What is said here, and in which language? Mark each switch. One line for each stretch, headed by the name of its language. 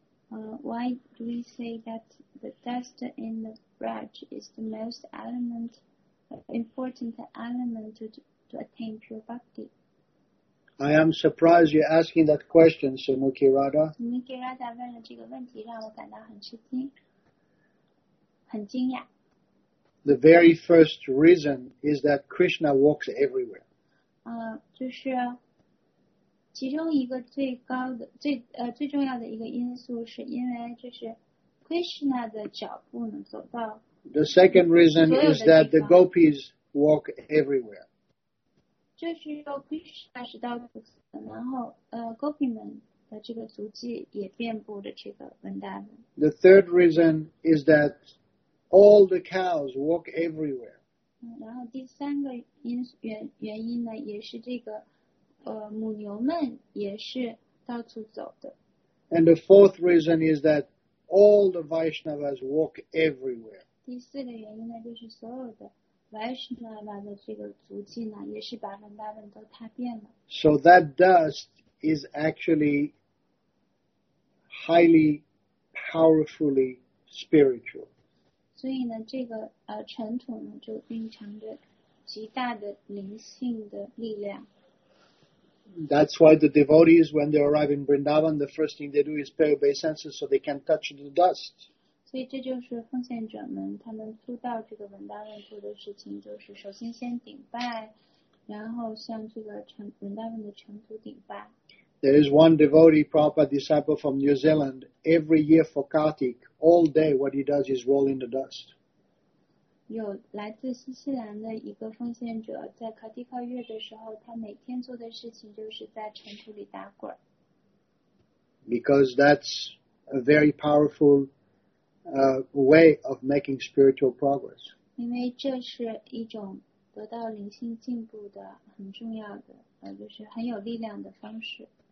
English: Why do we say that the dust in the Raj is the most element, important element to attain pure Bhakti? I am surprised you're asking that question, Smoky Radha.
Chinese: Smoky Radha 问了这个问题，让我感到很吃惊，很惊讶。
English: The very first reason is that Krishna walks everywhere.
Chinese: 就是其中一个最高的最重要的一个因素是因为就是 Krishna 的脚步能走到。
English: The second reason is that the gopis walk everywhere.
Chinese: 就是说 Krishna 是到处走的，然后gopi 们的这个足迹也遍布着这个文达文。
English: The third reason is that. All the cows walk everywhere.
Chinese: 然后第三个原因呢，也是这个，母牛们也是到处走的。
English: And the fourth reason is that all the Vaishnavas walk everywhere.
Chinese: 第四个原因呢，就是所有的 Vaishnava 的这个足迹呢，也是把文达文都踏遍了。
English: So that dust is actually highly powerfully spiritual.
Chinese: 所以呢，这个尘土呢，就蕴藏着极大的灵性的力量。
English: That's why the devotees, when they arrive in Vrindavan, the first thing they do is pay obeisances so they can touch the dust.
Chinese: 所以这就是奉献者们他们初到这个文达文做的事情，就是首先先顶拜，然后向这个文达文的尘土顶拜。
English: There is one devotee, Prabhupada disciple from New Zealand, every year for Kartik, all day what he does is roll in the dust.
Chinese: 有来自新西兰的一个奉献者在卡蒂克月的时候，他每天做的事情就是在尘土里打滚。
English: Because that's a very powerful way of making spiritual progress.
Chinese: 因为这是一种得到灵性进步的很重要的就是很有力量的方式。